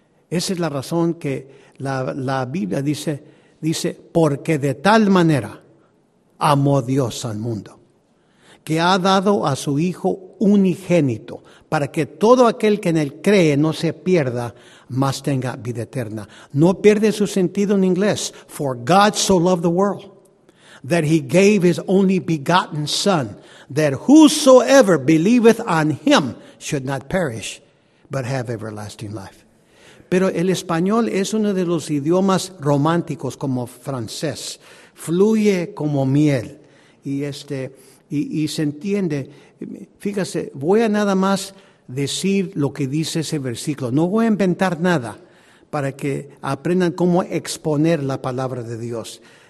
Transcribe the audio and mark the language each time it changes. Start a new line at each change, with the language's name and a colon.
Spanish: Esa es la razón que la Biblia dice, porque de tal manera amó Dios al mundo, que ha dado a su Hijo unigénito, para que todo aquel que en él cree no se pierda, mas tenga vida eterna. No pierde su sentido en inglés.
English: For God so loved the world, that he gave his only begotten Son, that whosoever believeth on him should not perish, but have everlasting life.
Spanish: Pero el español es uno de los idiomas románticos como francés. Fluye como miel. Y se entiende. Fíjese, voy a nada más decir lo que dice ese versículo. No voy a inventar nada para que aprendan cómo exponer la palabra de Dios.